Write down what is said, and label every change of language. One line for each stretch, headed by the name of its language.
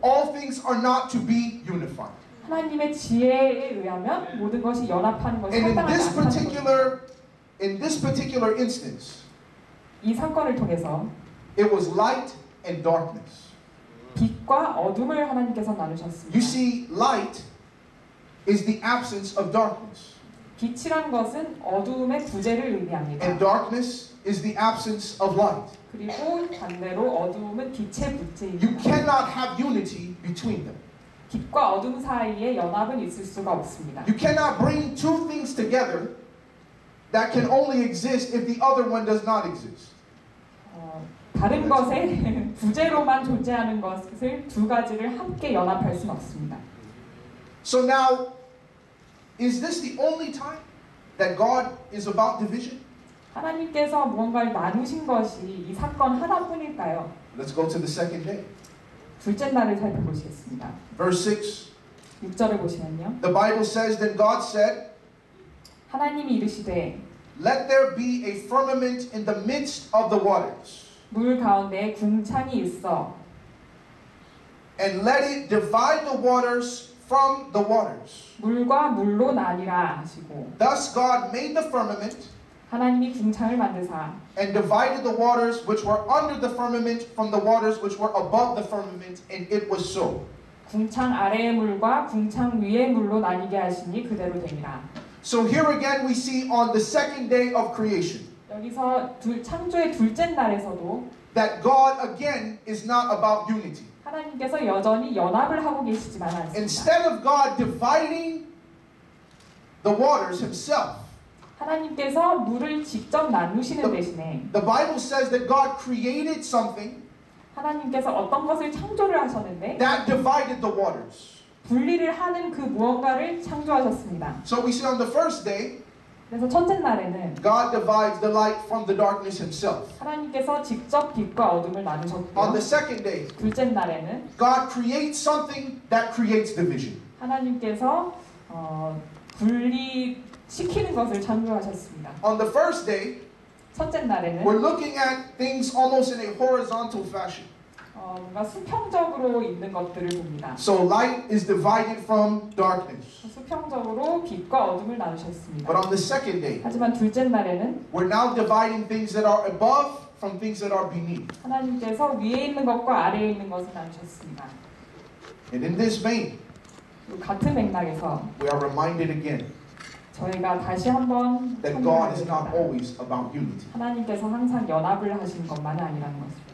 English: All things are not to be unified.
Korean: 하나님의 지혜에 의하면 모든 것이 연합하는 것이 합당하지 않다.
English: In this particular instance.
Korean: 이 사건을 통해서
English: It was light and darkness.
Korean: 빛과 어둠을 하나님께서 나누셨습니다.
English: You see, light is the absence of darkness.
Korean: 빛이란 것은 어둠의 부재를 의미합니다.
English: And darkness is the absence of light.
Korean: 그리고 반대로 어둠은 빛의 부재입니다.
English: You cannot have unity between them.
Korean: 빛과 어둠 사이에 연합은 있을 수가 없습니다.
English: You cannot bring two things together that can only exist if the other one does not exist.
Korean: 다른 것에 부재로만 존재하는 것을 두 가지를 함께 연합할 수는 없습니다.
English: So now, is this the only time that God is about division?
Korean: 하나님께서 무언가를 나누신 것이 이 사건 하나뿐일까요?
English: Let's go to the second day.
Korean: 둘째 날을 살펴보시겠습니다.
English: Verse
Korean: 6. 6절을 보시면요.
English: The Bible says that God said,
Korean: 하나님이 이르시되,
English: Let there be a firmament in the midst of the waters.
Korean: 물 가운데 궁창이 있어.
English: And let it divide the waters from the waters.
Korean: 물과 물로 나뉘라 하시고.
English: Thus God made the firmament.
Korean: 하나님이 궁창을 만드사.
English: And divided the waters which were under the firmament from the waters which were above the firmament, and it was so.
Korean: 궁창 아래의 물과 궁창 위의 물로 나뉘게 하시니 그대로 되니라.
English: So here again we see on the second day of creation.
Korean: 여기서 창조의 둘째 날에서도
English: That God again is not about unity.
Korean: 하나님께서 여전히 연합을 하고 계시지만 않습니다.
English: Instead of God dividing the waters himself.
Korean: 하나님께서 물을 직접 나누시는 대신에
English: The Bible says that God created something.
Korean: 하나님께서 어떤 것을 창조를 하셨는데
English: That divided the waters.
Korean: 분리를 하는 그 무언가를 창조하셨습니다.
English: So we see on the first day
Korean: 그래서 첫째 날에는
English: God divides the light from the darkness himself.
Korean: 하나님께서 직접 빛과 어둠을 나누셨고요.
English: On the second day,
Korean: 둘째 날에는
English: God creates something that creates division.
Korean: 하나님께서 분리시키는 것을 창조하셨습니다.
English: On the first day,
Korean: 첫째 날에는
English: we're looking at things almost in a horizontal fashion.
Korean: 뭔가 수평적으로 있는 것들을 봅니다.
English: So light is divided from darkness.
Korean: 수평적으로 빛과 어둠을 나누셨습니다.
English: But on the second day,
Korean: 하지만 둘째 날에는
English: we're now dividing things that are above from things that are beneath.
Korean: 하나님께서 위에 있는 것과 아래에 있는 것을 나누셨습니다.
English: And in this vein,
Korean: 같은 맥락에서
English: we are reminded again
Korean: 저희가 다시 한번
English: that God is not always about unity.
Korean: 하나님께서 항상 연합을 하신 것만이 아니라는 것을.